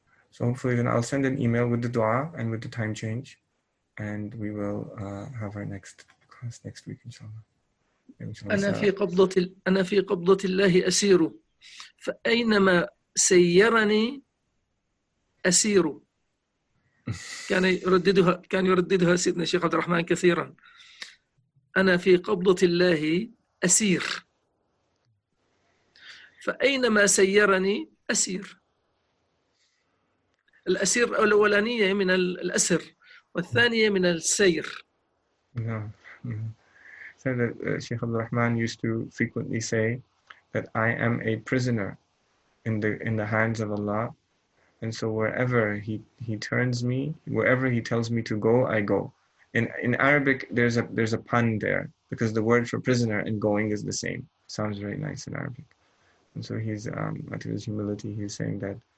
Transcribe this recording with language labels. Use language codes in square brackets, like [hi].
[en] So hopefully then I'll send an email with the dua and with the time change, and we will have our next class next week, inshallah. [ar] أنا في قبضة الله أسير فأينما سيرني أسير. كان يرددها سيدنا الشيخ عبد الرحمن كثيرا. أنا في قبضة الله أسير فأينما سيرني أسير. الأسير الأولانية من الأسر والثانية من السير. [en] Said that Sheikh Abdul Rahman used to frequently say that I am a prisoner in the hands of Allah, and so wherever he turns me, wherever he tells me to go, I go. In Arabic, there's a pun there because the word for prisoner and going is the same. Sounds very nice in Arabic, and so he's out of his humility, he's saying that